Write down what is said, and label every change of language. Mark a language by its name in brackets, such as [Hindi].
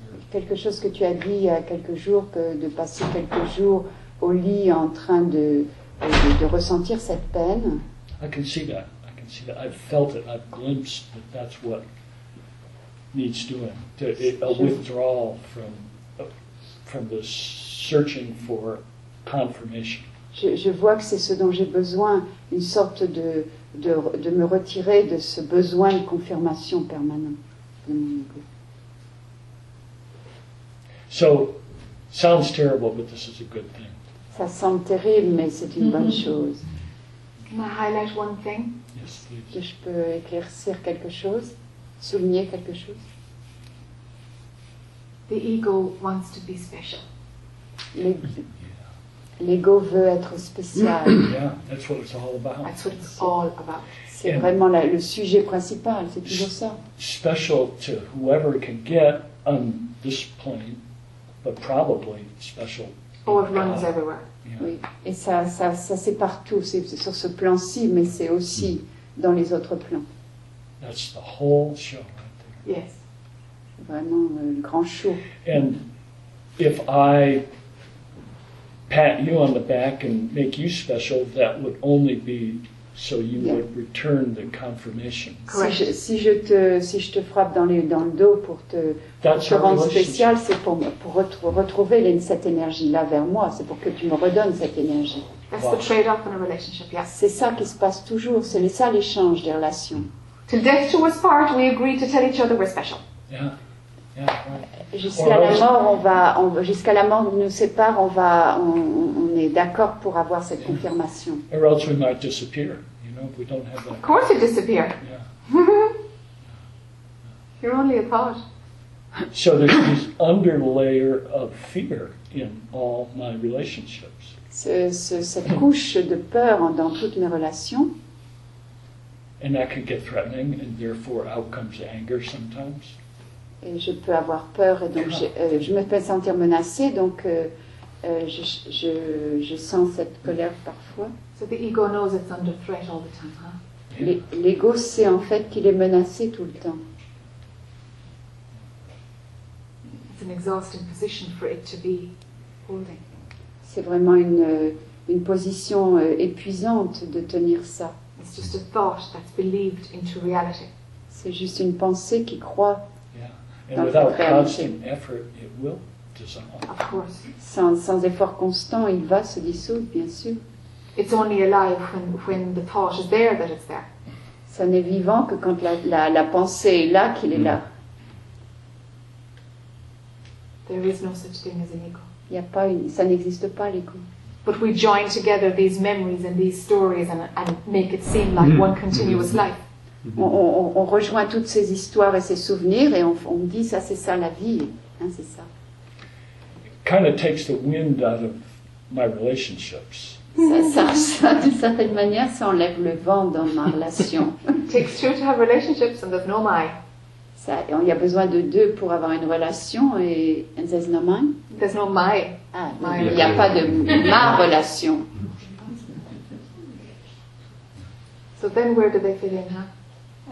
[French] Quelque chose que tu as dit il y a quelques jours, que de passer quelques jours au lit en train de ressentir cette peine. [English] I can see that. I can see that. I've felt it. I've glimpsed that that's what needs doing. A withdrawal from the searching for confirmation. [French] Je vois que c'est ce dont j'ai besoin, une sorte de me retirer de ce besoin de confirmation permanent de mon ego. [English] So, sounds terrible, but this is a good thing. [French] Ça semble terrible, mais c'est une bonne chose. [English] Can I highlight one thing? Yes, please. [French] Que je peux éclaircir quelque chose, souligner quelque chose. [English] The ego wants to be special. [French] L'ego veut être spécial. [English] Yeah, that's what it's all about. That's what it's all about. [French] C'est and vraiment le sujet principal, c'est toujours ça. [English] Special to whoever can get on this plane. But probably special. Oh, everyone is everywhere. [French] Yeah. Oui. Et ça c'est partout. C'est sur ce plan-ci, mais c'est aussi dans les autres plans. [English] That's the whole show, right there. Yes. [French] C'est vraiment le grand show. [English] And if I pat you on the back and make you special, that would only be so you yeah. would return the confirmation. [French] Si je te frappe dans le dos pour te rendre spécial, c'est pour retrouver cette énergie là vers moi. C'est pour que tu me redonnes cette énergie. [English] That's wow. The trade-off in a relationship. Yeah. [French] C'est ça qui se passe toujours. C'est ça l'échange des relations. [English] Till death do us part, we agree to tell each other we're special. [French] Jusqu'à la mort nous sépare, on est d'accord pour avoir cette confirmation. [English] Or else we might disappear, you know, if we don't have that. Of course you disappear. Yeah. You're only a thought. So there's this underlayer of fear in all my relationships. [French] Cette couche de peur dans toutes mes relations. [English] And that can get threatening, and therefore out comes anger sometimes. [French] Et je peux avoir peur et donc je me fais sentir menacée, donc je sens cette colère parfois. [English] So the ego knows it's under threat all the time, huh? [French] L'ego sait en fait qu'il est menacé tout le temps. [English] It's an exhausting position for it to be holding. [French] C'est vraiment une position épuisante de tenir ça. [English] It's just a thought that's believed into reality. [French] C'est juste une pensée qui croit. [English] And without constant effort, it will dissolve. Of course. [French] Sans effort constant, il va se dissoudre, bien sûr. [English] It's only alive when the thought is there that it's there. [French] Ça n'est vivant que quand la pensée est là qu'il est là. [English] There is no such thing as an ego. [French] Il y a pas une, ça n'existe pas l'ego. [English] But we join together these memories and these stories and make it seem like one continuous life. [French] On rejoint toutes ces histoires et ces souvenirs et on dit ça c'est ça la vie, hein, c'est ça. [English] Kind of takes the wind out of my relationships. [French] Ça, d'une certaine manière, ça enlève le vent dans ma relation. [English] It takes two to have relationships and there's no mine. [French] Ça, il y a besoin de deux pour avoir une relation et [English] and there's no mine. There's no my. [French] Il n'y a pas de ma relation. [English] So then where do they fit in, huh?